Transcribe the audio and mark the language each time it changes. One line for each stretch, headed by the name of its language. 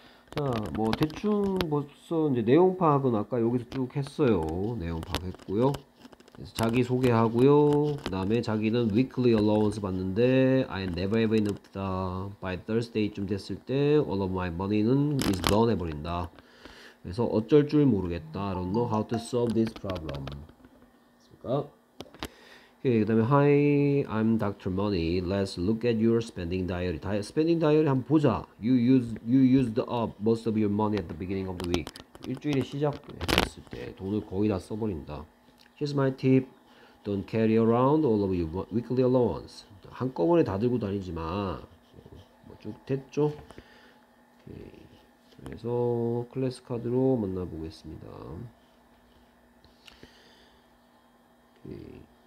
Korean: 자, 뭐 대충 벌써 이제 내용 파악은 아까 여기서 쭉 했어요. 내용 파악했고요. 그래서 자기 소개하고요. 그 다음에 자기는
English: weekly allowance
Korean: 받는데
English: I never have enough다. By Thursday
Korean: 쯤 됐을 때
English: all of my money는 is gone
Korean: 해버린다. 그래서 어쩔 줄 모르겠다.
English: I don't know how to solve this problem.
Korean: 그 다음에
English: Hi, I'm Dr. Money. Let's look at your spending diary. Spending diary
Korean: 한번 보자.
English: You used up most of your money at the beginning of the week.
Korean: 일주일에 시작했을 때 돈을 거의 다 써버린다.
English: Here's my tip. Don't carry around all of your weekly allowance.
Korean: 한꺼번에 다 들고 다니지 마. 뭐 쭉 됐죠? 오케이. 그래서 클래스 카드로 만나보겠습니다. 오케이.